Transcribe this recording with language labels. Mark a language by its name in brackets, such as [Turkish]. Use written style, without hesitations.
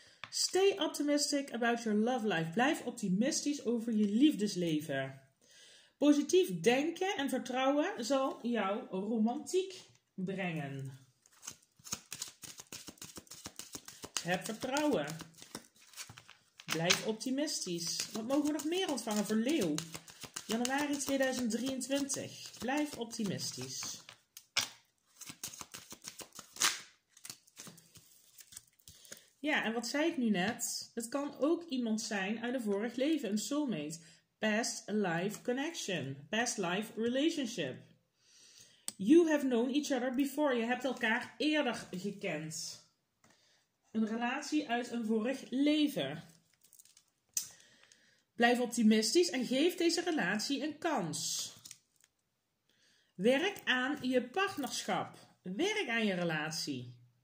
[English] Stay optimistic about your love life. [Dutch] Blijf optimistisch over je liefdesleven. Positief denken en vertrouwen zal jouw romantiek brengen. Heb vertrouwen. Blijf optimistisch. Wat mogen we nog meer ontvangen voor Leeuw? Januari 2023. Blijf optimistisch. Ja, en wat zei ik nu net? Het kan ook iemand zijn uit een vorig leven. Een soulmate. [English] Past life connection. Past life relationship. You have known each other before. [Dutch] Je hebt elkaar eerder gekend. Een relatie uit een vorig leven. Blijf optimistisch en geef deze relatie een kans. Werk aan je partnerschap. Werk aan je relatie.